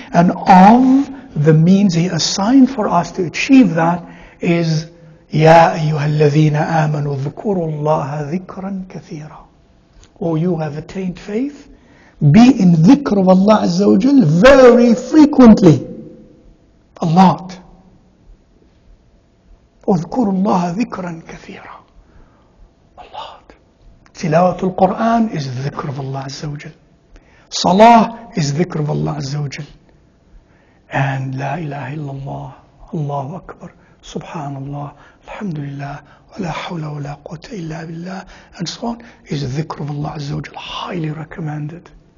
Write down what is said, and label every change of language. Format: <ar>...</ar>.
<en>And of the means He assigned for us to achieve that is,</en> <ar>يَا أَيُّهَا الَّذِينَ آمَنُوا ذُكُرُوا اللَّهَ ذِكْرًا كَثِيرًا.</ar> <en>O you have attained faith, be in dhikr of Allah Azza wa Jal very frequently, a lot.</en> <ar>اذكر الله ذكرا كثيرا,</ar> <en>a lot.</en> <ar>تلاوة القرآن</ar> <en>is dhikr of Allah Azza wa Jal. Salah is dhikr of Allah Azza wa Jal. And la ilaha illallah, Allahu Akbar, Subhanallah, Alhamdulillah,</en> <ar>وَلَا حَوْلَ وَلَا قُوَّةَ إِلَّا بِاللَّهِ,</ar> <en>and so on, is dhikr of Allah Azza wa Jal, highly recommended.</en>